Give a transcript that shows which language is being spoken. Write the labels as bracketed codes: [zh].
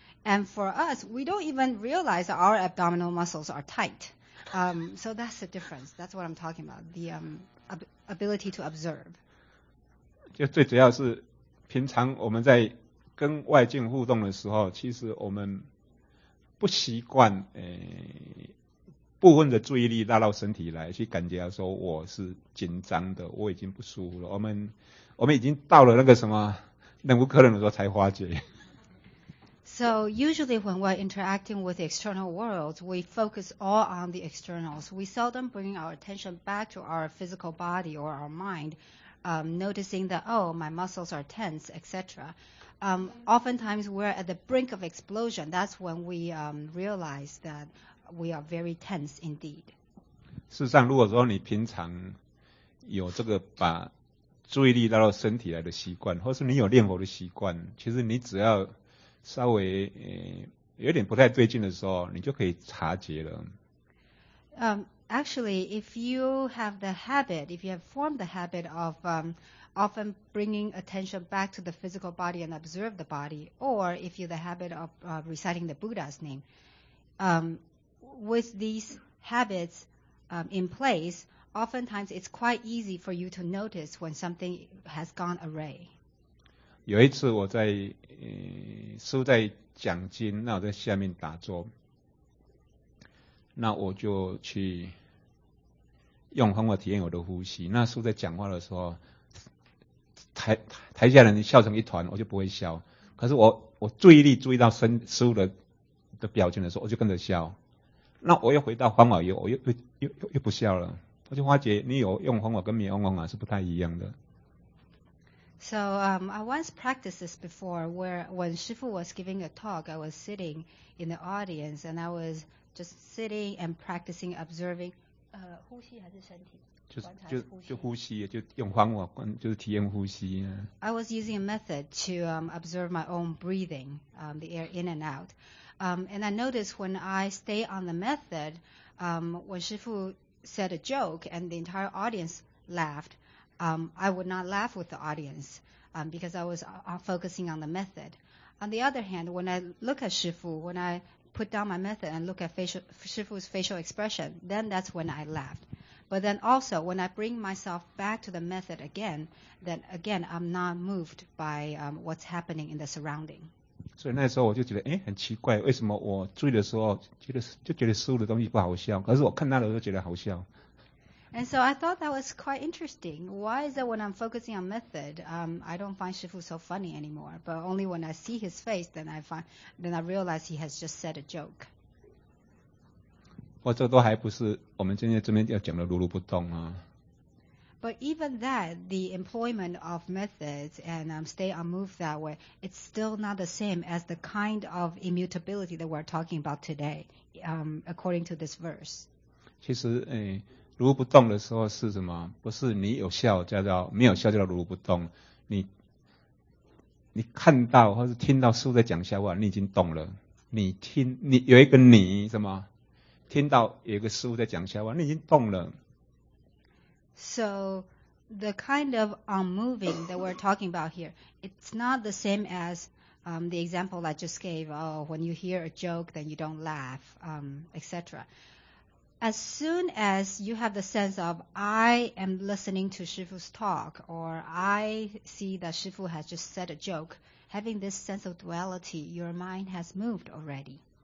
[en] And for us, we don't even realize that our abdominal muscles are tight. So that's the difference. That's what I'm talking about, the ability to observe. [zh] 就最主要是平常我们在跟外境互动的时候，其实我们不习惯部分的注意力拉到身体来，去感觉说我是紧张的，我已经不舒服了。我们已经到了那个什么忍无可忍的时候才发觉。 [en] So usually when we're interacting with the external world, we focus all on the externals. We seldom bring our attention back to our physical body or our mind, noticing that oh, my muscles are tense, etc. Oftentimes we're at the brink of explosion. That's when we realize that. We are very tense indeed. [zh] 事实上，如果说你平常有这个把注意力带到身体来的习惯，或是你有念佛的习惯，其实你只要稍微有点不太对劲的时候，你就可以察觉了。 [en] Actually, if you have the habit, if you have formed the habit of often bringing attention back to the physical body and observe the body, or if you have the habit of reciting the Buddha's name, With these habits in place, oftentimes it's quite easy for you to notice when something has gone awry. [zh] 有一次我在师父在讲经，那我在下面打坐，那我就去用方法体验我的呼吸。那师父在讲话的时候，台下人笑成一团，我就不会笑。可是我注意到师父的表情的时候，我就跟着笑。那我又回到方法以后，我又不笑了。我就发觉你有用方法跟没用方法是不太一样的。 [en] So I once practiced this before, where when Shifu was giving a talk, I was sitting in the audience and I was just sitting and practicing observing [zh] 呼吸还是身体。就呼吸，就用方法，就是体验呼吸。 [en] I was using a method to observe my own breathing, the air in and out. And I noticed when I stay on the method, when Shifu said a joke and the entire audience laughed, I would not laugh with the audience because I was focusing on the method. On the other hand, when I look at Shifu, when I put down my method and look at Shifu's facial expression, then that's when I laughed. But then also, when I bring myself back to the method again, then again, I'm not moved by what's happening in the surrounding. [zh] 所以那时候我就觉得，很奇怪，为什么我注意的时候就觉得师父的东西不好笑，可是我看他的时候觉得好笑。 [en] And so I thought that was quite interesting. Why is that when I'm focusing on method, I don't find Shifu so funny anymore? But only when I see his face, then I realize he has just said a joke. [zh] 或者都还不是我们今天这边要讲的如如不动啊。 [en] But even that, the employment of methods and stay unmoved that way, it's still not the same as the kind of immutability that we're talking about today, according to this verse. [zh] 其实，如如不动的时候是什么？不是你有笑叫做没有笑叫做如如不动，你看到或是听到师父在讲笑话，你已经动了。你听，你有一个你什么？听到有一个师父在讲笑话，你已经动了。 [en] So the kind of unmoving that we're talking about here, it's not the same as the example I just gave. Oh, when you hear a joke, then you don't laugh, etc. As soon as you have the sense of I am listening to Shifu's talk, or I see that Shifu has just said a joke, having this sense of duality, your mind has moved already.